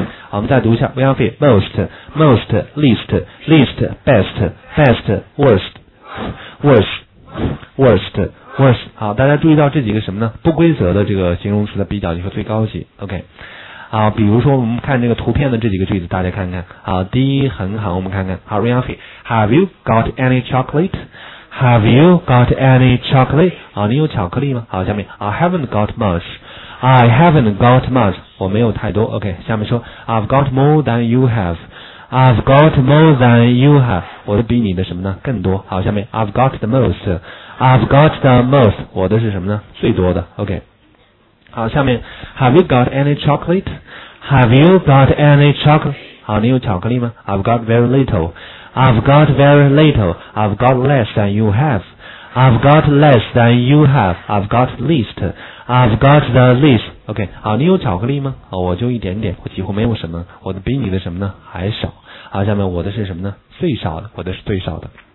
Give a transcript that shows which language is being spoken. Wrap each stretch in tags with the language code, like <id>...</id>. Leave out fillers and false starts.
<zh>好，我们再读一下</zh> <en>，we have most, most, least, least, best, best, worst, worst, worst, worst。</en> <zh>好，大家注意到这几个什么呢？不规则的这个形容词的比较，就是最高级。</zh> <en>OK。</en> <zh>好，比如说我们看这个图片的这几个句子，大家看看。好，第一很好，我们看看。好 ，Rianfi，</zh> <en>Have you got any chocolate? Have you got any chocolate?</en> <zh>好，你有巧克力吗？好，下面</zh> <en>I haven't got much. I haven't got much.</en> <zh>我没有太多。</zh> <en>OK，</en> <zh>下面说</zh> <en>I've got more than you have. I've got more than you have.</en> <zh>我的比你的什么呢？更多。好，下面</zh> <en>I've got the most. I've got the most.</en> <zh>我的是什么呢？最多的。OK。好，下面</zh> <en>Have you got any chocolate? Have you got any chocolate?</en> <zh>好，你有巧克力吗？</zh> <en>I've got very little. I've got very little. I've got less than you have. I've got less than you have. I've got least. I've got the least. OK,</en> <zh>好，你有巧克力吗？哦，我就一点点，我几乎没有什么，我的比你的什么呢？还少。好，下面我的是什么呢？最少的，我的是最少的。</zh>